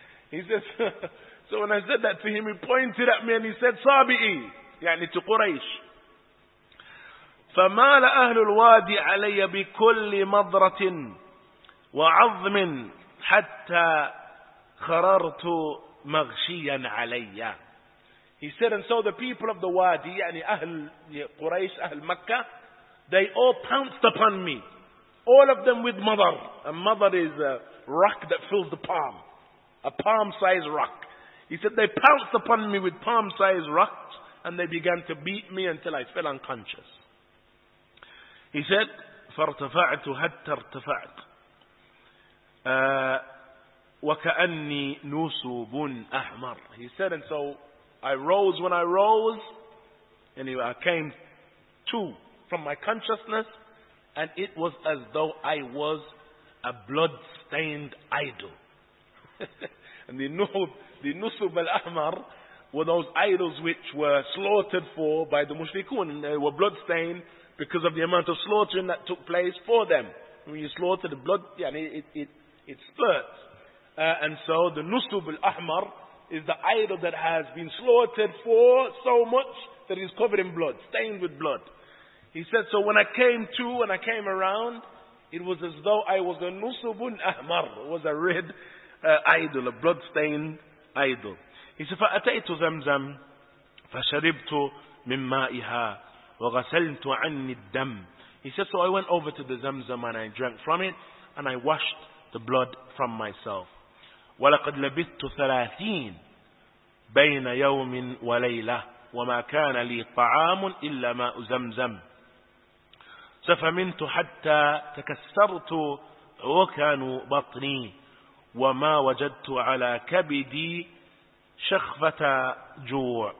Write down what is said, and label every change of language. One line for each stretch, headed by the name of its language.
English: He says, so when I said that to him, he pointed at me and he said, Sabi'i. يعني to Quraysh.
Arabic: فمال أهل الوادي علي بكل مضرة وعظم حتى خررت مغشيا علي.
English: He said, and so the people of the Wadi,
Arabic: يعني أهل Quraysh, أهل مكة,
English: they all pounced upon me, all of them with مضر. A مضر is a rock that fills the palm, a palm-sized rock. He said, they pounced upon me with palm-sized rocks, and they began to beat me until I fell unconscious. He said,
Arabic: فَارْتَفَعْتُ حَتَّى ارْتَفَعْتُ وَكَأَنِّي نُصُوبٌ أَحْمَرٌ.
English: He said, and so I rose when I rose, anyway, I came to from my consciousness, and it was as though I was a blood-stained idol. And the نُصُوب الأحمر were those idols which were slaughtered for by the mushrikun, and they were bloodstained because of the amount of slaughtering that took place for them. When you slaughter the blood, yeah, it spurts. And so the Nusub al-Ahmar is the idol that has been slaughtered for so much that it is covered in blood, stained with blood. He said, so when I came to and I came around, it was as though I was a Nusub al-Ahmar. It was a red idol, a blood-stained idol. He said,
Arabic: فَأَتَيْتُ زَمْزَمْ فَشَرِبْتُ مِنْ مَائِهَا وَغَسَلْتُ عَنِّي الدَّمْ.
English: He said, so I went over to the Zamzam and I drank from it and I washed the blood from myself.
Arabic: وَلَقَدْ لَبِثْتُ ثَلَاثِينَ بَيْنَ يَوْمٍ وَلَيْلَةٍ وَمَا كَانَ لِي طَعَامٌ إِلَّا مَاءُ زَمْزَمْ سَفَمِنْتُ حَتَّى تَكَسَّرْتُ عُرُكَانُ بَطْنِي وَمَا وَجَدْتُ عَلَى كَبِدِي شَخْفَةَ جُوعٍ.